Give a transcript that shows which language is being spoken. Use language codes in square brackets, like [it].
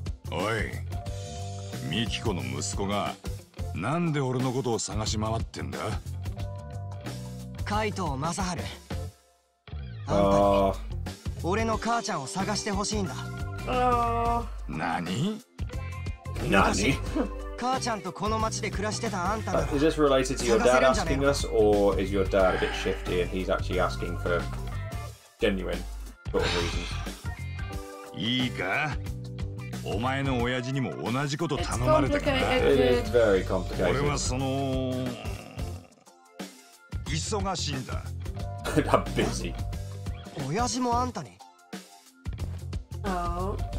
[ja] おい、ミキコの息子がなんで俺のことを探し回ってんだ。カイト・マサハル、あんたに俺の母ちゃんを探してほしいんだ。何？何？母ちゃんとこの町で暮らしてたあんたが。 [en] Is this related to your dad asking us, or is your dad a bit shifty and he's actually asking for genuine sort of reasons? [ja] いいか、お前の親父にも同じこと頼まれたから。 [en] It is very complicated. [ja] 俺はその忙しいんだ。 [en] I'm busy. [ja] 親父もあんたに。 Oh.